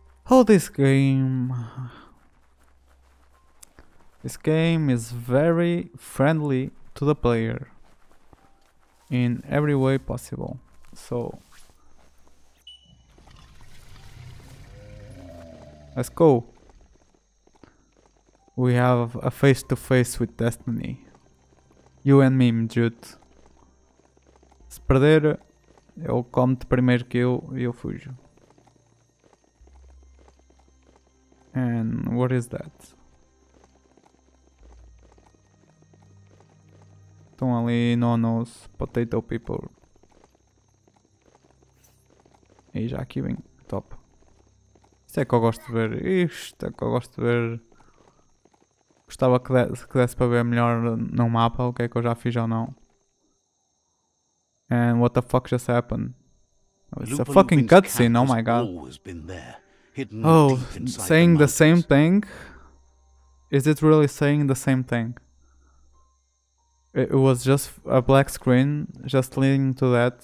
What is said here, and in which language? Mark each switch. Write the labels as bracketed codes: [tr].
[en] Oh, this game is very friendly to the player in every way possible. So let's go. We have a face to face with destiny. You and me, Jude. [pt] Se perder, eu como-te primeiro que eu e eu fujo. [en] And what is that? [pt] Estão ali nonos, [en] potato people. [pt] E já aqui vem, top. Isto é que eu gosto de ver. Isto é que eu gosto de ver. Gostava que desse para ver melhor no mapa o que é que eu já fiz ou não. [en] And what the fuck just happened? It's a fucking cutscene, oh my god. Always been there, hidden deep inside saying the same thing? Is it really saying the same thing? It was just a black screen, just leading to that.